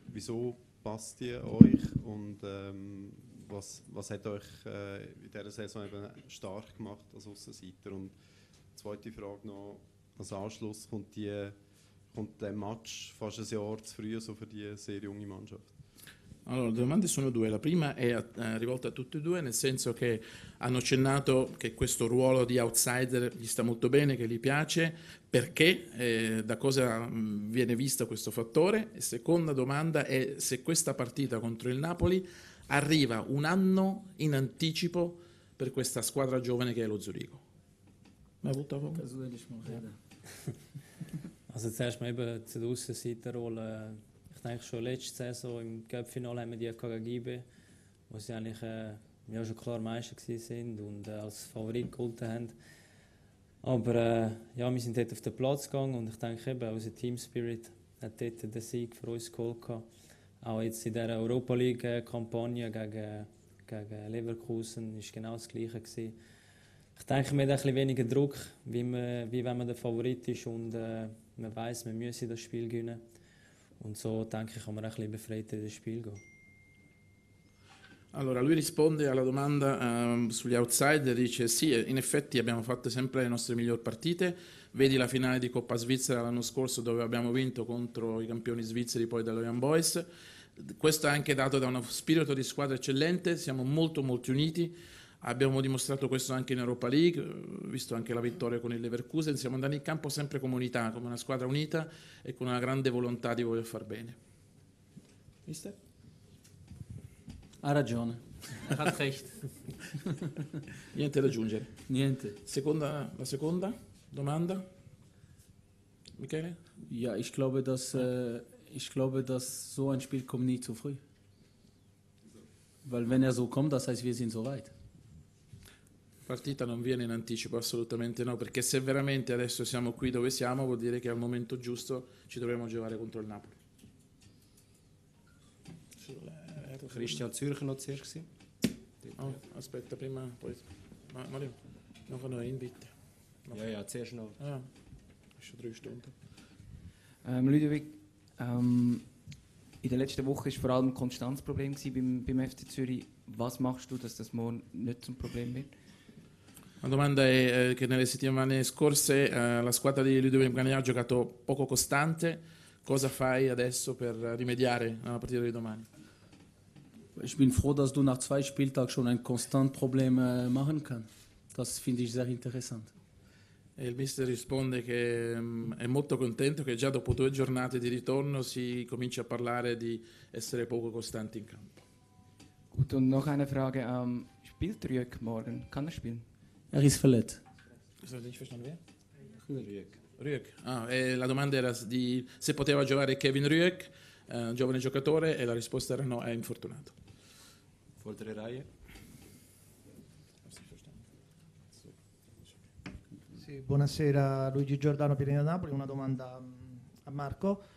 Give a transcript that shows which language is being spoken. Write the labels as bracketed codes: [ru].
[de] Wieso passt die euch? Und was hat euch in dieser Saison eben stark gemacht als Aussenseiter? Und zweite Frage noch. Als Anschluss kommt der Match fast ein Jahr zu früh so für die sehr junge Mannschaft. [it] Allora, le domande sono due. La prima è rivolta a tutti e due, nel senso che hanno accennato che questo ruolo di outsider gli sta molto bene, che gli piace. Perché? Da cosa viene visto questo fattore? E seconda domanda è se questa partita contro il Napoli arriva un anno in anticipo per questa squadra giovane che è lo Zurigo. Ma ha avuto un caso di [de] Also zuerst mal eben zu der Aussenseiterrolle. Ich denke schon letzte Saison im Cup-Finale haben wir die gegen Giebe, wo sie eigentlich ja schon klar Meister gewesen sind und als Favorit geholt haben. Aber ja, wir sind dort auf den Platz gegangen und ich denke eben, unser Team-Spirit hat dort den Sieg für uns geholt. Auch jetzt in der Europa League-Kampagne gegen Leverkusen war genau das Gleiche gewesen. Ich denke, man hat etwas weniger Druck, wie wenn man der Favorit ist und man weiß, man müsse das Spiel gewinnen. Und so denke ich, kann man etwas befreiter in das Spiel gehen. [it] Allora, lui risponde alla domanda sugli outsider, dice sì, in effetti abbiamo fatto sempre le nostre migliori partite, vedi la finale di Coppa Svizzera l'anno scorso dove abbiamo vinto contro i campioni svizzeri poi dello Young Boys, questo è anche dato da uno spirito di squadra eccellente, siamo molto molto uniti. Abbiamo dimostrato questo anche in Europa League, visto anche la vittoria con il Leverkusen. Siamo andati in campo sempre come unità, come una squadra unita e con una grande volontà di voler far bene. Mister? Ha ragione. [de] Ha recht. [it] Niente da aggiungere. Niente. La seconda domanda? Michele? [de] Ja, ich glaube, dass ich glaube, dass so ein Spiel kommt nie zu früh. Weil wenn er so kommt, das heißt, wir sind so weit. [it] Partita non viene in anticipo, assolutamente no, perché se veramente adesso siamo qui dove siamo, vuol dire che al momento giusto ci dobbiamo giocare contro il Napoli. [de] Christian Zürcher noch zuerst. [it] Oh, aspetta, prima, poi. Mario, [de] noch eine Invite. Ja, zuerst noch. Ja, ist schon 3 Stunden. Ludwig, in der letzten Woche war vor allem ein Konstanzproblem beim FC Zürich. Was machst du, dass das morgen nicht zum Problem wird? [it] La domanda è che nelle settimane scorse la squadra di Ludovic Gagnè ha giocato poco costante. Cosa fai adesso per rimediare alla partita di domani? [de] Ich bin froh, dass du nach 2 Spieltagen schon ein Konstantproblem machen kann. Das finde ich sehr interessant. [it] E il mister risponde che è molto contento che già dopo 2 giornate di ritorno si comincia a parlare di essere poco costante in campo. [de] Gut, und noch eine Frage. Spielt Rüegg morgen? Kann er spielen? Er ist verletzt. Das habe ich verstanden, wer? Rüegg. [it] Ah, la domanda era di se poteva giocare Kevin Rüegg, giovane giocatore, e la risposta era no, è infortunato. [de] Foltere Reihe. [it] Sì, buonasera, Luigi Giordano, Pirine da Napoli. Una domanda a Marco.